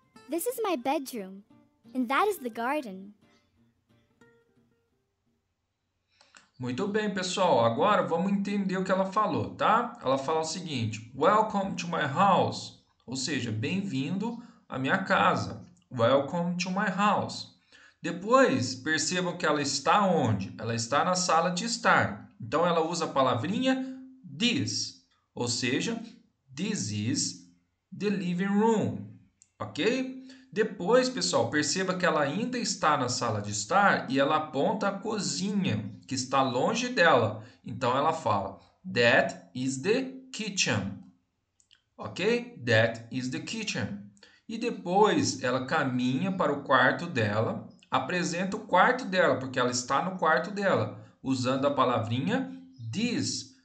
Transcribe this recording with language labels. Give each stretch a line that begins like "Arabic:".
English: This is my bedroom, and that is the garden.
Portuguese: Muito bem, pessoal. Agora vamos entender o que ela falou, tá? Ela fala o seguinte:
English: Welcome to my house.
Portuguese: Ou seja, bem-vindo à minha casa.
English: Welcome to my house.
Portuguese: Depois, percebam que ela está onde? Ela está na sala de estar. Então, ela usa a palavrinha this. Ou seja,
English: this is the living room. Ok?
Portuguese: Depois, pessoal, perceba que ela ainda está na sala de estar e ela aponta a cozinha, que está longe dela. Então, ela fala
English: that is the kitchen.
Portuguese: Ok?
English: That is the kitchen.
Portuguese: E depois ela caminha para o quarto dela, apresenta o quarto dela, porque ela está no quarto dela, usando a palavrinha this.